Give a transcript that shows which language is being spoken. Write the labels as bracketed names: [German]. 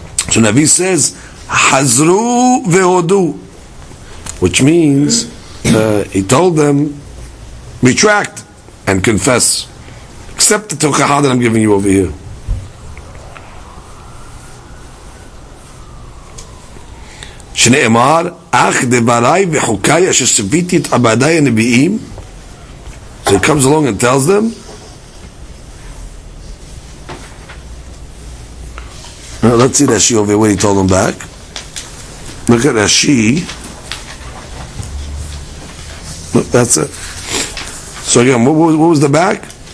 [English] So Navi says [Hebrew] hazru v'hodu, [English] which means he told them retract and confess. Accept the tochacha that I'm giving you over here. [Hebrew] שנאמר, אך דבריי וחוקיי אשר סביתי את עבדיי הנביאים. [English] So he comes along and tells them. Now let's see Rashi over here, what he told them back. Look at Rashi. Look, that's it. So again, what was the back?